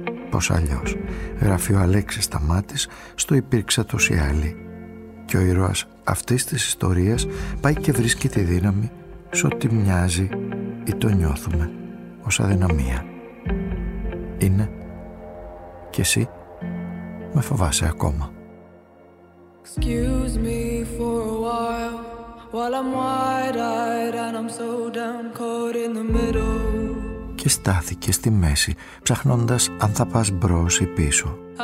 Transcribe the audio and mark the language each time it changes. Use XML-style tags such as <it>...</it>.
<el>Πώς αλλιώς, γράφει ο Αλέξης Σταμάτης στο «Υπήρξε τους οι άλλοι». Και ο ήρωας αυτής της ιστορίας πάει και βρίσκει τη δύναμη σε ό,τι μοιάζει ή το νιώθουμε ως αδυναμία. Είναι και εσύ με φοβάσαι ακόμα.</el> <en>Excuse me for a while I'm wide-eyed and I'm so down caught in the middle.</en> <el>Και στάθηκε στη μέση, ψάχνοντας αν θα πας μπρος ή πίσω.</el>